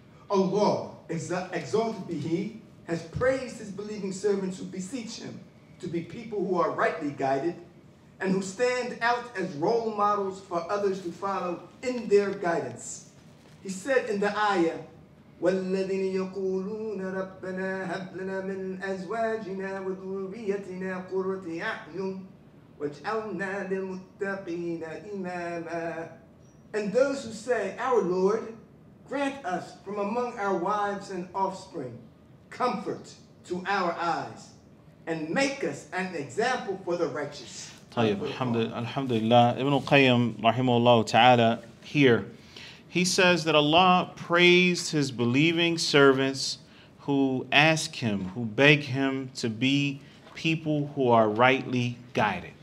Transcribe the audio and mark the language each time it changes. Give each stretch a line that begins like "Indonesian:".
English: Allah, exalted be He, has praised His believing servants who beseech Him to be people who are rightly guided and who stand out as role models for others to follow in their guidance.
Arabic: He said in the ayah, وَالَّذِينَ يَقُولُونَ رَبَّنَا هَبْ لَنَا مِنْ أَزْوَاجِنَا وَذُرِّيَّتِنَا قُرَّةَ أَعْيُنٍ وَاجْعَلْنَا لِلْمُتَّقِينَ إِمَامًا.
English: And those who say, Our Lord, grant us from among our wives and offspring comfort to our eyes and make us an example for the righteous. طيب alhamdulillah. Ibn Qayyim rahimahullah ta'ala here, he says that Allah praised His believing servants who ask Him, who beg Him to be people who are rightly guided.